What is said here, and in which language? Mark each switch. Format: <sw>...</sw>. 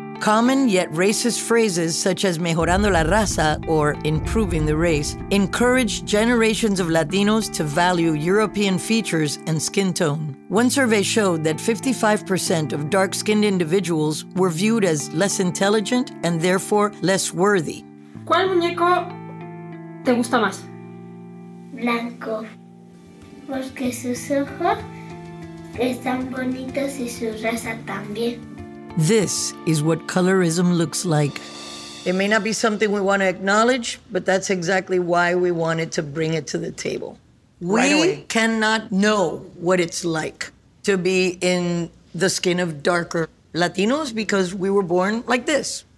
<en>Common yet racist phrases such as</en> <es>mejorando la raza,</es> <en>or improving the race, encourage generations of Latinos to value European features and skin tone. One survey showed that 55% of dark-skinned individuals were viewed as less intelligent and therefore less worthy.</en> <es>¿Cuál muñeco te gusta más? Blanco, porque sus ojos están bonitos y su raza también.</es> <en>This is what colorism looks like. It may not be something we want to acknowledge, but that's exactly why we wanted to bring it to the table. We cannot know what it's like to be in the skin of darker Latinos because we were born like this.</en>